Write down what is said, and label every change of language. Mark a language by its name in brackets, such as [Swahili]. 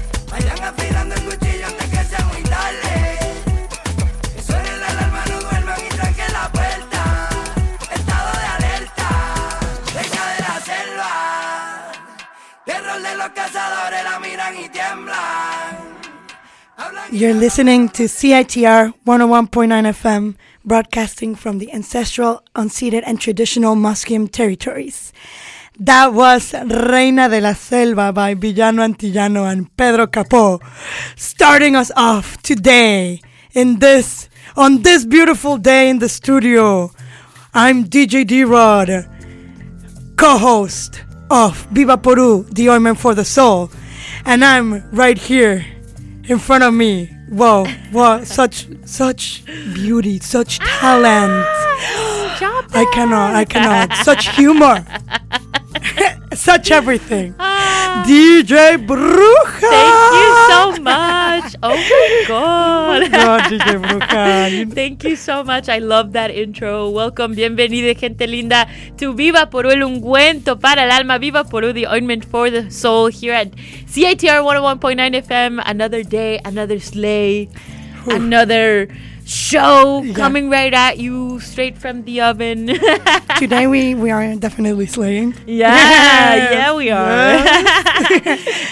[Spanish] Vayan afilando el cuchillo antes que sea muy tarde. Que suene la alarma, no duerman y tranquen la puerta. Estado de alerta. Reina de la selva. Terror de los cazadores, la miran y tiemblan. [English] You're listening to CITR 101.9 FM, broadcasting from the ancestral, unceded, and traditional Musqueam territories. That was Reina de la Selva by Villano Antillano and Pedro Capó, starting us off today on this beautiful day in the studio. I'm DJ D-Rod, co-host of Viva Porú, the Ointment for the Soul, and I'm right here. In front of me. Whoa. such beauty, such talent. Job done. I cannot. Such humor. Such everything. DJ Bruja. Thank you so much. Oh my God. No, DJ Bruja. Thank you so much. I love that intro. [Spanish] Welcome, bienvenida, gente linda, to Viva Porú, el ungüento para el alma. [English] Viva Porú, the ointment for the soul, here at CITR 101.9 FM. Another day, another sleigh, another show coming right at you straight from the oven. Today we are definitely slaying. Yeah, we are. Yes.